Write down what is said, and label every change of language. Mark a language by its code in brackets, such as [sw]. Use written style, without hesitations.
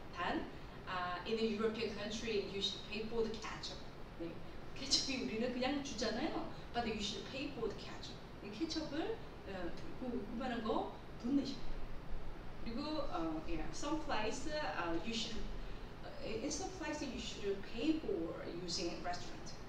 [en] 단 in a European country you should pay for the ketchup. [ko] 네. 케첩이 우리는 그냥 주잖아요. [en] But you should pay for the ketchup. [ko] 이 케첩을 그만한 거 돈 내셔야 돼요. [en] 그리고 some place you should in some place you should pay for using restaurant.